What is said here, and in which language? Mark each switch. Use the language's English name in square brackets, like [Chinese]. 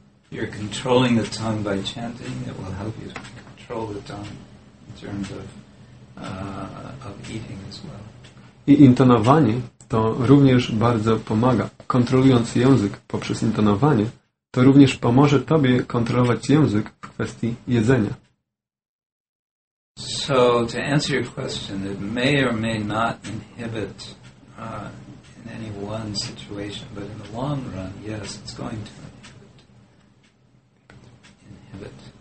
[English] You're controlling the tongue by chanting, it will help you control the tongue in terms of eating as well. [Polish] I intonowanie to również bardzo pomaga. Kontrolując język poprzez intonowanie, to również pomoże Tobie kontrolować język w kwestii jedzenia. [English] So, to answer your question, it may or may not inhibit in any one situation, but in the long run, yes, it's going to inhibit